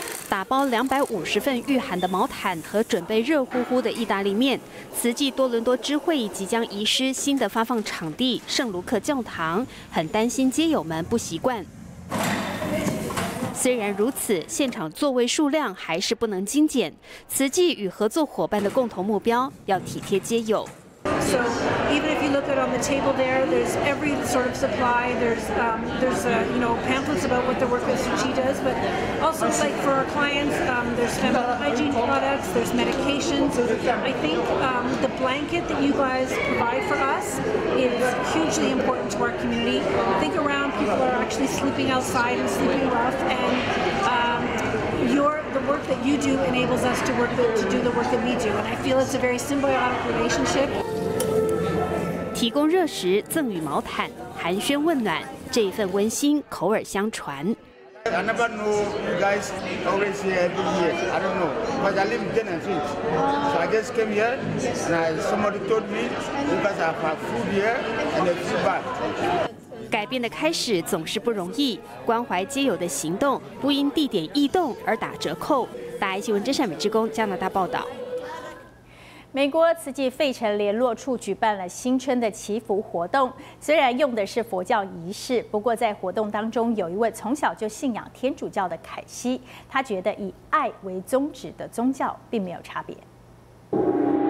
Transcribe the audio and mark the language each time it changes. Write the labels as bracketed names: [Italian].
[Chinese] 打包250份御寒的毛毯和准备热乎乎的意大利面，慈济多伦多支会即将移师新的发放场地圣卢克教堂，很担心街友们不习惯。虽然如此，现场座位数量还是不能精简。慈济与合作伙伴的共同目标，要体贴街友。 [English] So even if you look at on the table there, there's every sort of supply. There's pamphlets about what the work of Suchi does, but also like for our clients, there's feminine hygiene products, there's medications. I think the blanket that you guys provide for us is hugely important to our community. I think around people are actually sleeping outside and sleeping rough, and the work that you do enables us to do the work that we do, and I feel it's a very symbiotic relationship. [Chinese] 提供热食，赠予毛毯，寒暄温暖，这一份温馨口耳相传。 [English] I never know you guys always here every year. I don't know, because I live in Genesis. So I just came here, and somebody told me you guys have food here and a few bags. [Chinese] 改变的开始总是不容易，关怀街友的行动不因地点异动而打折扣。大爱新闻真善美之工加拿大报道。美国慈济费城联络处举办了新春的祈福活动，虽然用的是佛教仪式，不过在活动当中有一位从小就信仰天主教的凯西，他觉得以爱为宗旨的宗教并没有差别。